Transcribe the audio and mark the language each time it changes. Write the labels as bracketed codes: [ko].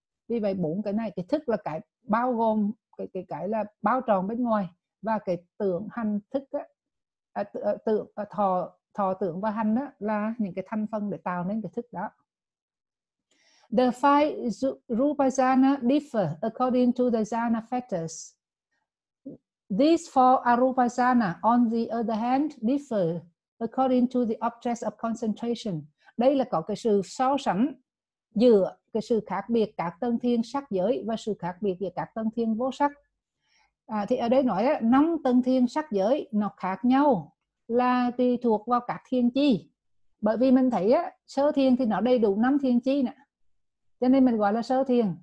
[vi] Vì vậy bốn cái này, cái thức là cái bao gồm cái là bao tròn bên ngoài, và cái tưởng hành thức đó, thọ tưởng và hành đó là những cái thành phần để tạo nên cái thức đó. [en] The five rupasana differ according to the jhana factors. These four arupasana, on the other hand, differ according to the objects of concentration. [vi] Đây là có cái sự so sánh giữa cái sự khác biệt các tầng thiên sắc giới và sự khác biệt giữa các tầng thiên vô sắc. Thì ở đây nói năm tầng thiên sắc giới nó khác nhau là tùy thuộc vào các thiên chi. Bởi vì mình thấy sơ thiên thì nó đầy đủ năm thiên chi nè. Cho nên mình gọi là sơ thiên.